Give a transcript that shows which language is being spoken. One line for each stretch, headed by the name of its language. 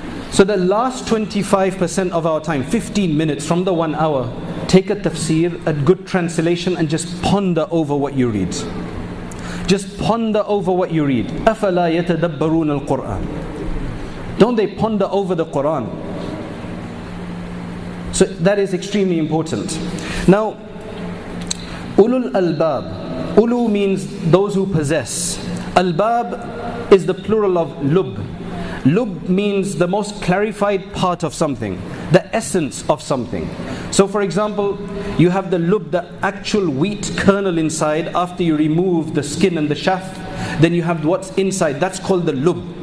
English: So the last 25% of our time, 15 minutes from the 1 hour, take a tafsir, a good translation, and just ponder over what you read. Just ponder over what you read.
Arabic: أَفَلَا يَتَدَبَّرُونَ الْقُرْآنَ.
English: Don't they ponder over the Qur'an? So that is extremely important. Now,
Arabic: أُلُو الْأَلْبَابِ.
English: أُلُو means those who possess. Al-bab is the plural of lub. Lub means the most clarified part of something, the essence of something. So for example, you have the lub, the actual wheat kernel inside, after you remove the skin and the chaff, then you have what's inside, that's called the lub.